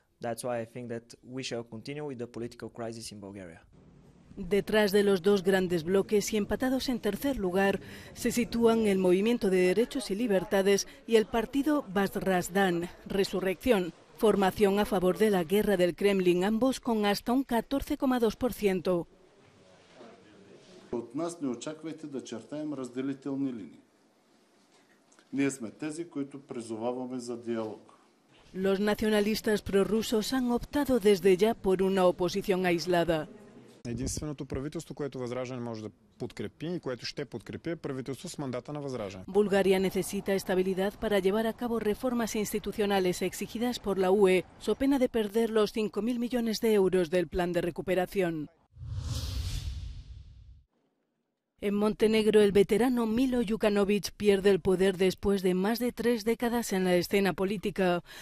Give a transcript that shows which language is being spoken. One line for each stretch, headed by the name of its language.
English: That's why I think that we shall continue with the political crisis in Bulgaria.
Spanish: Detrás de los dos grandes bloques y empatados en tercer lugar se sitúan el Movimiento de Derechos y Libertades y el partido Vasrasdan, Resurrección, formación a favor de la guerra del Kremlin, ambos con hasta un 14,2%.
Bulgarian: От нас не очаквайте да чертаем разделителни линии. Ние сме тези, които призоваваме за диалог.
Spanish: Los nacionalistas prorrusos han optado desde ya por una oposición aislada.
Bulgarian: Единственото правителство, което Възраждане може да подкрепи и което ще подкрепи, е правителство с мандата на Възраждане.
Spanish: Bulgaria necesita estabilidad para llevar a cabo reformas institucionales exigidas por la UE, so pena de perder los 5.000 millones de euros del plan de recuperación. En Montenegro, el veterano Milo Djukanovic pierde el poder después de más de tres décadas en la escena política.